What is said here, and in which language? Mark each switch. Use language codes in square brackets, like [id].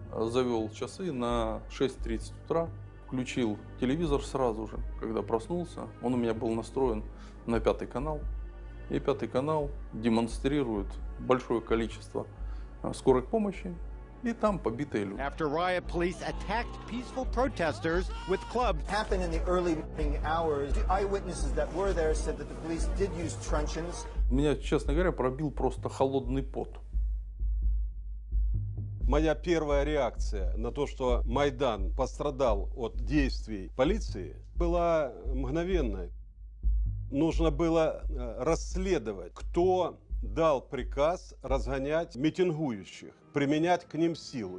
[ru] Завел часы на 6:30 утра, включил телевизор сразу же, когда проснулся. Он у меня был настроен на 5-й канал. И 5-й канал демонстрирует большое количество скорой помощи, и там побитые люди. [en] After riot, police attacked peaceful protesters with clubs. Happened in the early morning hours. The eyewitnesses that were there said that the police did use truncheons. [ru] Меня, честно говоря, пробил просто холодный пот. Моя первая реакция на то, что Майдан пострадал от действий полиции, была мгновенной. Нужно было расследовать, кто дал приказ разгонять митингующих, применять к ним силу.